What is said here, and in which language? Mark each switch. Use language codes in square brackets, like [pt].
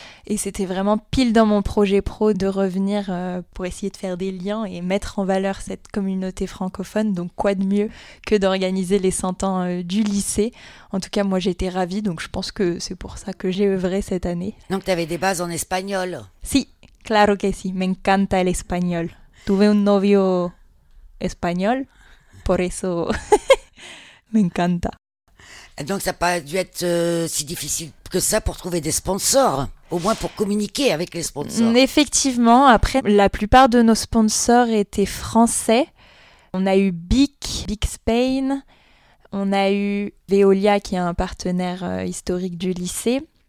[fr] Et c'était vraiment pile dans mon projet pro de revenir pour essayer de faire des liens et mettre en valeur cette communauté francophone. Donc quoi de mieux que d'organiser les 100 ans du lycée. En tout cas, moi j'étais ravie, donc je pense que c'est pour ça que j'ai œuvré cette année. Donc tu avais des bases en espagnol. [es] Si, claro que si, me encanta el español. Tuve un novio espagnol, por eso me encanta. [fr] Donc ça n'a pas dû être si difficile que ça pour trouver des sponsors, au moins pour communiquer avec les sponsors. Effectivement, après, la plupart de nos sponsors étaient français. On a eu BIC, BIC Spain, on a eu Veolia qui est un partenaire historique du lycée.